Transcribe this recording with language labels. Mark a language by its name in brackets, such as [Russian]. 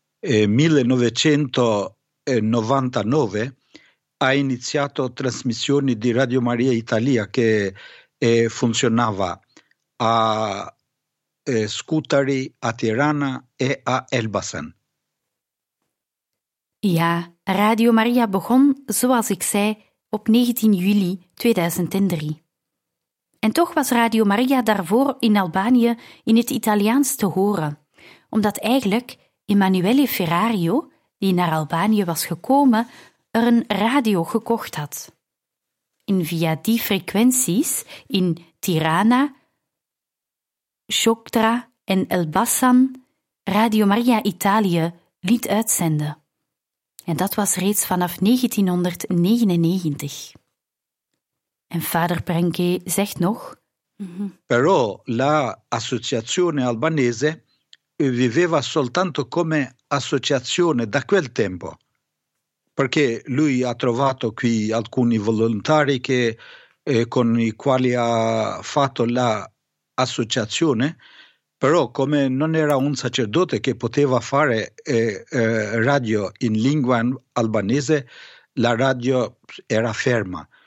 [Italian] 1999 ha iniziato trasmissioni di Radio Maria Italia, che funzionava a Scutari, a Tirana e a Elbasan. [Dutch] Ja, Radio Maria begon, zoals ik zei, op 19 juli 2003. En toch was Radio Maria daarvoor in Albanië in het Italiaans te horen, omdat eigenlijk Emanuele Ferrario, die naar Albanië was gekomen, er een radio gekocht had. En via die frequenties in Tirana, Shoktra en Elbasan Radio Maria Italië liet uitzenden. En dat was reeds vanaf 1999. En vader Prenke zegt nog... [Italian] Però l'associazione albanese viveva soltanto come associazione da quel tempo, perché lui ha trovato qui alcuni volontari che, con i quali ha fatto l'associazione, però come non era un sacerdote che poteva fare radio in lingua albanese, la radio era ferma.